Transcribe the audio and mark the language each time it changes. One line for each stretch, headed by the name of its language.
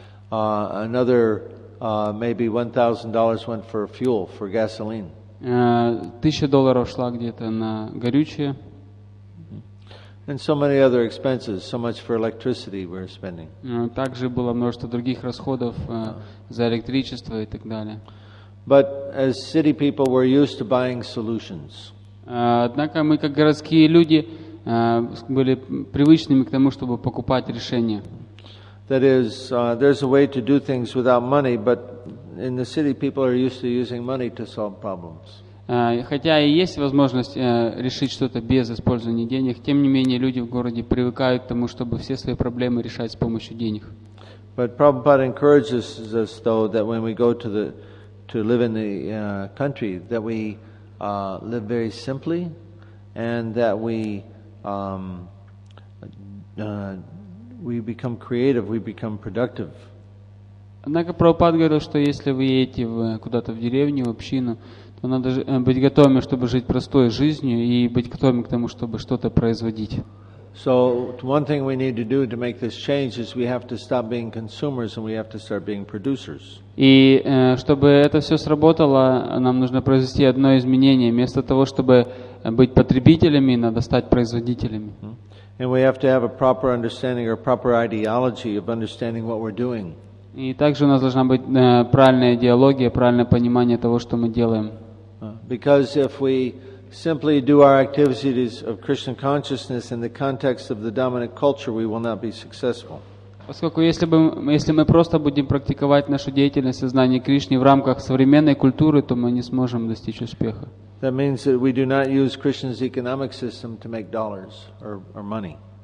English: Another maybe $1,000 went for fuel, for gasoline.
Russian: $1,000 шло где-то на горючее.
English: And so many other expenses, so much for electricity we were spending.
Russian: Также было множество других расходов за электричество и так далее.
English: But as city people, we're used to buying solutions.
Russian: Однако мы как городские люди были привычными к тому, чтобы покупать решения.
English: That is, there's a way to do things without money, but in the city, people are used to using money to solve problems.
Russian: Хотя и есть возможность решить что-то без использования денег, тем не менее люди в городе привыкают к тому, чтобы все свои проблемы решать с помощью денег.
English: But Prabhupada encourages us though that when we go to the to live in the country, that we live very simply, and that we become creative, we become productive.
Russian: Однако Прабхупада говорил, что если вы едете куда-то в деревню, в общину, то надо быть готовыми, чтобы жить простой жизнью и быть готовыми к тому, чтобы что-то производить.
English: So one thing we need to do to make this change is we have to stop being consumers and we have to start being producers.
Russian: И чтобы это все сработало, нам нужно произвести одно изменение. Вместо того, чтобы быть потребителями, надо стать производителями.
English: And we have to have a proper understanding or proper ideology of understanding what we're doing.
Russian: И также у нас должна быть правильная идеология, правильное понимание того, что мы делаем.
English: Because if we simply do our activities of Krishna consciousness in the context of the dominant culture, we will not be successful.
Russian: Поскольку если мы просто будем практиковать нашу деятельность сознания Кришны в рамках современной культуры, то мы не сможем достичь успеха.
English: That means that we do not use Krishna's economic system to make dollars or money.